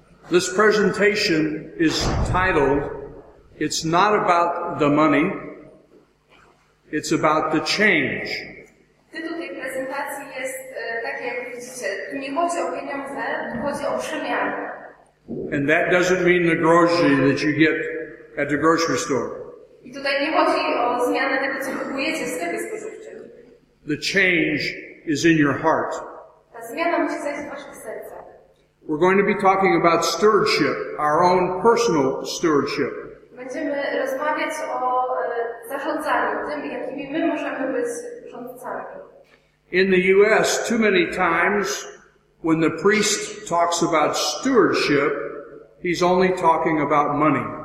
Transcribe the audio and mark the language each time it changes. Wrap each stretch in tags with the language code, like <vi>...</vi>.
<en>This presentation is titled, It's Not About the Money, It's About the Change.</en> <pl>Tytuł tej prezentacji jest taki, jak widzicie, nie chodzi o pieniądze, chodzi o przemianę.</pl> <en>And that doesn't mean the grocery that you get at the grocery store.</en> <pl>I tutaj nie chodzi o zmianę tego, co kupujecie w sklepie spożywczym.</pl> <en>The change is in your heart.</en> <pl>Ta zmiana musi zajść w waszych sercach.</pl> <en>We're going to be talking about stewardship, our own personal stewardship.</en> <pl>Będziemy rozmawiać o zarządzaniu, tym, jakimi my możemy być rządcami.</pl> <en>In the U.S., too many times, when the priest talks about stewardship, he's only talking about money.</en>